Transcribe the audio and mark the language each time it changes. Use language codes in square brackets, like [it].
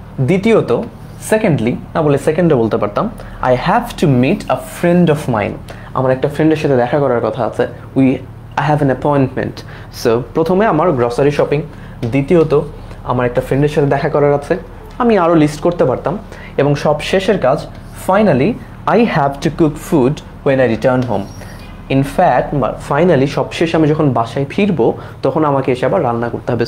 [bn] দ্বিতীয়ত, সেকেন্ডলি না বলে সেকেন্ডে বলতে পারতাম, [en] I have to meet a friend of mine, [bn] আমার একটা ফ্রেন্ডের সাথে দেখা করার কথা আছে, [en] We I have an appointment. [bn] So প্রথমে আমার গ্রসারি শপিং, দ্বিতীয়ত আমার একটা ফ্রেন্ডের সাথে দেখা করার আছে, আমি আরও লিস্ট করতে পারতাম, এবং সব শেষের কাজ finally [en] I have to cook food when I return home. In fact, finally, [bn] সবশেষে আমি যখন বাসায় ফিরবো তখন আমাকে এসে আবার রান্না করতে হবে।